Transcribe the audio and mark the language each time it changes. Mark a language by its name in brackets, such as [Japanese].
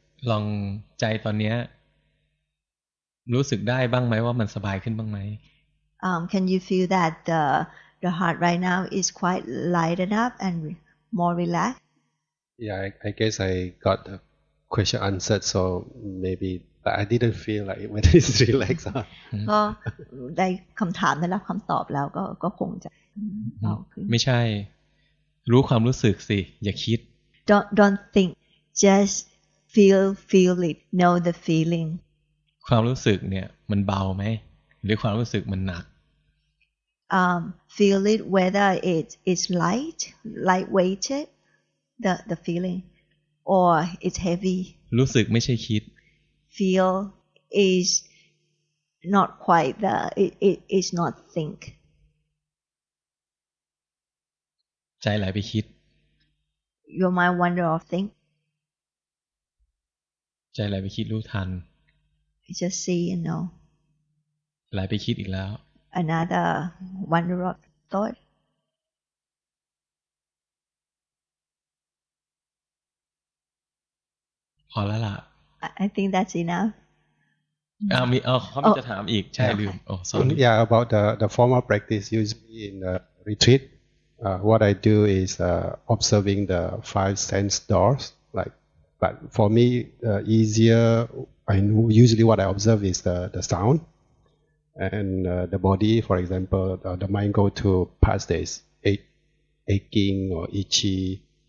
[Thai] ลองใจตอนเนี้ยรู้สึกได้บ้างไหมว่ามันสบายขึ้นบ้างไหม [English] Can you feel that the heart right now is quite lightened up and more relaxed? Yeah, I guess I got the question answered, so maybe, but I didn't feel like when it's relaxed. [Thai] ก็ได้คำถามได้รับคำตอบแล้วก็คงจะ ไม่ใช่รู้ความรู้สึกสิอย่าคิด [English] Don't think, just feel it, know the feeling. [Thai] ความรู้สึกเนี่ยมันเบาไหมหรือความรู้สึกมันหนัก [English] Feel it whether it's lightweighted the feeling or it's heavy. [Thai] รู้สึกไม่ใช่คิด [English] Feel is not quite the it is not think. [Thai] ใจไหลไปคิด [English] Your mind wander off think. [Thai] ใจไหลไปคิดรู้ทัน [English] Just see and know. [Thai] ไหลไปคิดอีกแล้ว [English] Another wonder of thought. [Thai] พอแล้วล่ะ [English] I think that's enough. [Thai] มีเขามีจะถามอีกใช่ลืมโอ้ sorry. [English] Yeah, about the formal practice usually in the retreat. What I do is observing the five sense doors. Like, but for me, easier. I usually what I observe is the sound. And the body, for example, the mind go to past days, aching or itchy.